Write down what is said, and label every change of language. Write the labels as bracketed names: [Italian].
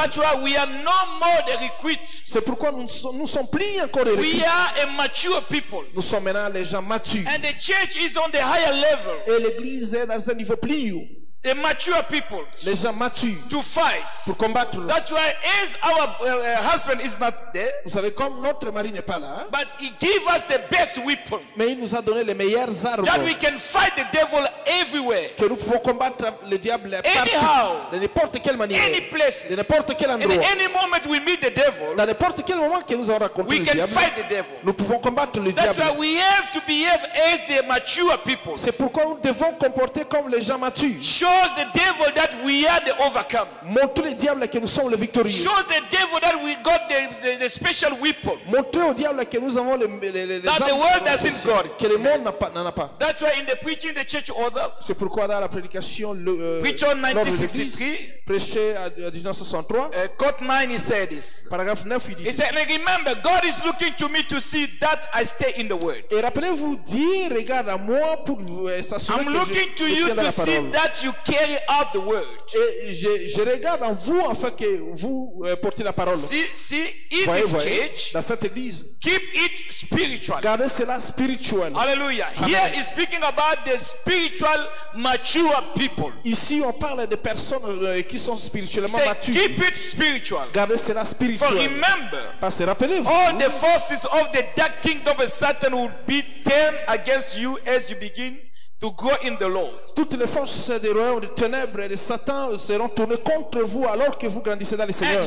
[English] That's why we are no more the recruits. [French] C'est pourquoi nous sommes plus encore des recruits. [English] We are a mature people. [French] Nous sommes maintenant les gens matures. [English] And the church is on the higher level. [French] Et l'église est dans un niveau plus haut. [English] The mature people. [French] Les gens matures. [English] To fight. [French] Pour combattre. [English] That's why as our husband is not there. [French] Vous savez comme notre mari n'est pas là. [English] But he gave us the best weapon. [French] Mais il nous a donné les meilleures armes. [English] That we can fight the devil everywhere. [French] Que nous pouvons combattre le diable partout. [English] Anyhow. [French] De n'importe quelle manière. [English] Any places. [French] De n'importe quel endroit. [English] In any moment we meet the devil. [French] Dans n'importe quel moment que nous avons rencontré le diable. [English] We can fight the devil. [French] Nous pouvons combattre le [English] That's [French] diable. [English] That's why we have to behave as the mature people. [French] C'est pourquoi nous devons comporter comme les gens matures. [English] Show Shows the devil that we are the overcomer. [French] Montre au diable que nous sommes les victorieux. [English] Shows the devil that we got the special weapon. [French] Montre au diable que nous avons les [English] that the world doesn't got. [French] Que le monde n'a pas. [English] That's why in the preaching, the church order. [French] C'est pourquoi dans la prédication, [English] preach on 1963. [French] Prêché à 1963. [English] Quote 9, he said this. [French] Paragraphe 9, il dit. [English] He said, remember, God is looking to me to see that I stay in the word. [French] Et rappelez-vous, Dieu regarde à moi pour s'assurer [English] I'm looking to you to see that you carry out the word. [French] Je regarde en vous afin que vous portiez la parole. [English] See, the church, keep it spiritual. [French] Gardez cela spirituel. Hallelujah. [English] Here is speaking about the spiritual mature people. [French] Ici on parle des personnes qui sont spirituellement matures. [English] Keep it spiritual. [French] Gardez cela spirituel. [English] For remember, [French] parce que rappelez-vous, [English] all the forces of the dark kingdom of Satan will be turned against you as you begin to grow in the Lord. [French] Toutes les forces des royaumes des ténèbres et de Satan seront tournées contre vous alors que vous grandissez dans le Seigneur.